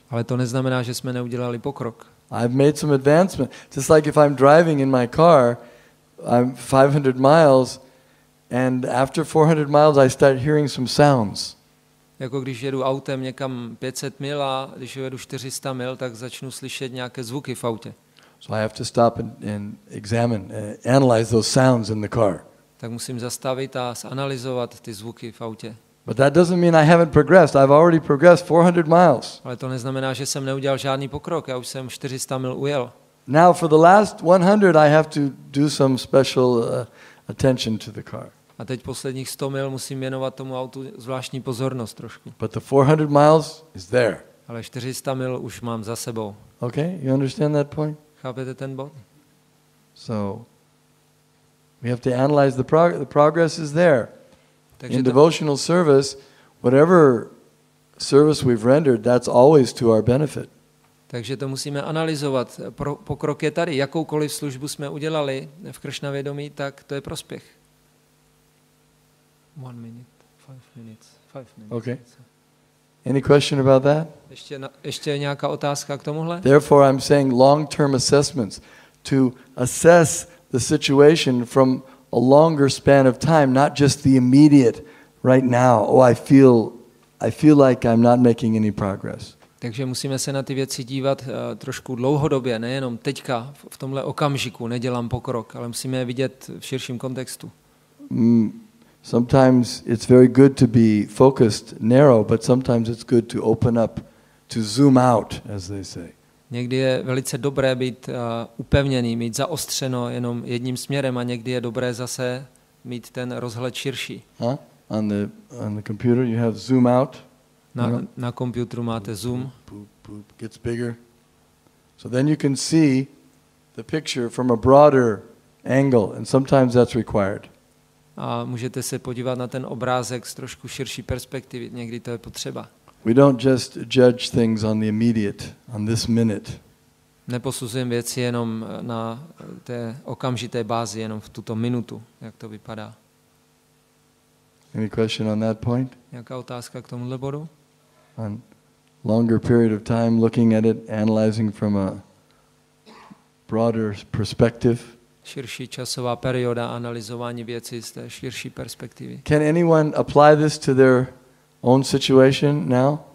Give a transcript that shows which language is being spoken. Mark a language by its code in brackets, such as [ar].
[cs] Ale to neznamená, že jsme neudělali pokrok. [en] I've made some advancement. Just like if I'm driving in my car, I'm 500 miles and after 400 miles I start hearing some sounds. [cs] Jako když jedu autem někam 500 mil a když jedu 400 mil, tak začnu slyšet nějaké zvuky v autě. [en] So I have to stop and examine, analyze those sounds in the car. [cs] Tak musím zastavit a zanalyzovat ty zvuky v autě. [en] But that doesn't mean I haven't progressed. I've already progressed 400 miles. [cs] Ale to neznamená, že jsem neudělal žádný pokrok. Já už jsem 400 mil ujel. [en] Now for the last 100, I have to do some special attention to the car. [cs] A teď posledních 100 mil musím věnovat tomu autu zvláštní pozornost trošku. [en] But the 400 miles is there. [cs] Ale 400 mil už mám za sebou. [en] Okay, you understand that point? [cs] Chápete ten bod? [en] So we have to analyze the progress is there. In devotional service, whatever service we've rendered, that's always to our benefit. [cs] Takže to musíme analyzovat. Pokrok je tady. Jakoukoliv službu jsme udělali v Krishna vědomí, tak to je prospěch. [en] 1 minute, 5 minutes. Okay. Any question about that? [cs] Ještě nějaká otázka k tomuhle? [en] Therefore, I'm saying long-term assessments to assess the situation from a longer span of time, not just the immediate right now. Oh, I feel like I'm not making any progress. [cs] Takže musíme se na ty věci dívat trošku dlouhodobě, nejenom teďka v tomhle okamžiku nedělám pokrok, ale musíme je vidět v širším kontextu. [en] Sometimes it's very good to be focused narrow, but sometimes it's good to open up, to zoom out, as they say. [cs] Někdy je velice dobré být upevněný, mít zaostřeno jenom jedním směrem a někdy je dobré zase mít ten rozhled širší. Huh? [en] On the computer you have zoom out. [cs] Na počítači máte zoom. [en] Boop, gets bigger. So then you can see the picture from a broader angle and sometimes that's required. [cs] A můžete se podívat na ten obrázek z trošku širší perspektivy, někdy to je potřeba. [en] We don't just judge things on the immediate, on this minute. [cs] neposuzujeme věci jenom na té okamžité bázi, jenom v tuto minutu, jak to vypadá. [en] Any question on that point? [cs] Nějaká otázka k tomuhle bodu? [en] On longer period of time looking at it, analyzing from a broader perspective. [cs] Širší časová perioda analyzování věcí z té širší perspektivy. [en] Can anyone apply this to their own situation now?